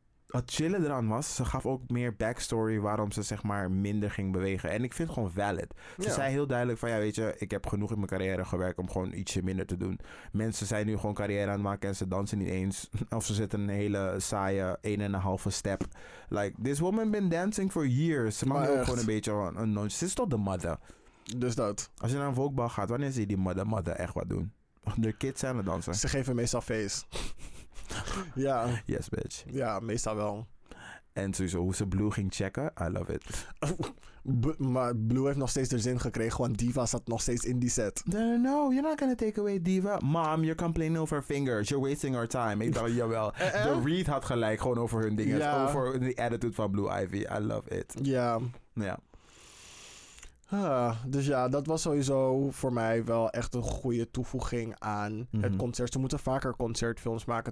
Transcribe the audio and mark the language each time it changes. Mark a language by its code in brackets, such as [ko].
[nl] Wat chillen eraan was, ze gaf ook meer backstory waarom ze zeg maar minder ging bewegen. En ik vind het gewoon valid. Ze zei heel duidelijk van, ja weet je, ik heb genoeg in mijn carrière gewerkt om gewoon ietsje minder te doen. Mensen zijn nu gewoon carrière aan het maken en ze dansen niet eens. Of ze zitten een hele saaie 1,5 step. [en] Like, this woman been dancing for years. [nl] Ze mag ook gewoon een beetje een nonce. Ze is toch de mother. Dus dat. Als je naar een volkbal gaat, wanneer zie je die mother echt wat doen? De kids zijn aan het dansen. Ze geven meestal face. Ja. [en] Yes, bitch. [nl] Ja, meestal wel. En sowieso, hoe ze Blue ging checken, [en] I love it. [nl] Maar Blue heeft nog steeds de zin gekregen, want Diva zat nog steeds in die set. [en] No, you're not gonna take away Diva. Mom, you're complaining over her fingers. You're wasting our time. [nl] Ik dacht, jawel. De Reed had gelijk, gewoon over hun dingen. [en] Yeah. [nl] Over de attitude van Blue Ivy. [en] I love it. [nl] Ja. Yeah. Ja. Dus ja, dat was sowieso voor mij wel echt een goede toevoeging aan het concert. Ze moeten vaker concertfilms maken.